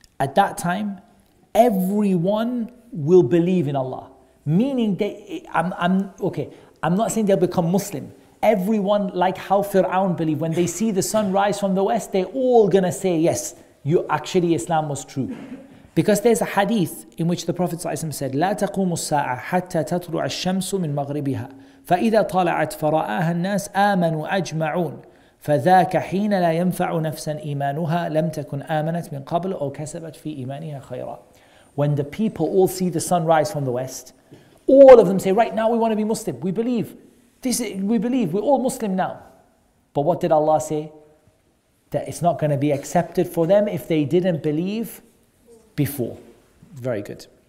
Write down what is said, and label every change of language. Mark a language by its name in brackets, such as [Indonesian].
[English] At that time, everyone will believe in Allah. Meaning they, I'm not saying they'll become Muslim. Everyone, like how Fir'aun believed, when they see the sun rise from the west, they're all gonna say, yes, you actually Islam was true. Because there's a hadith in which the Prophet ﷺ said, [Arabic] لا تقوم الساعة حتى تطلع الشمس من مغربها فإذا طلعت فرآها الناس آمنوا أجمعون فذاك حين لا ينفع نفسا إيمانها لم تكن آمنت من قبل أو كسبت في إيمانها خيرا. [English] When the people all see the sun rise from the west, all of them say, right now we want to be Muslim. We believe. We're all Muslim now. But what did Allah say? That it's not going to be accepted for them if they didn't believe before. Very good.